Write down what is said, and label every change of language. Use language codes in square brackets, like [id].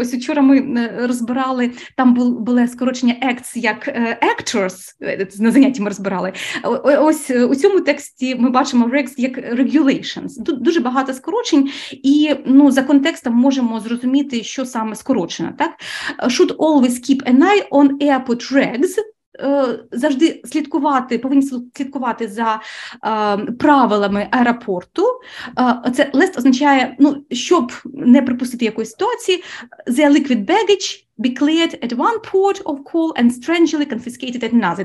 [uk] Ось вчора ми розбирали, там було скорочення acts як actors, на занятті ми розбирали. Ось у цьому тексті ми бачимо regs як regulations. Тут дуже багато скорочень, і ну, за контекстом можемо зрозуміти, що саме скорочено. Так? [en] Should always keep an eye on airport regs. [uk] Завжди слідкувати, повинні слідкувати за правилами аеропорту. Це лест означає, ну, щоб не припустити якоїсь ситуації, [en] the liquid baggage – be cleared at one port of call and strangely confiscated at another.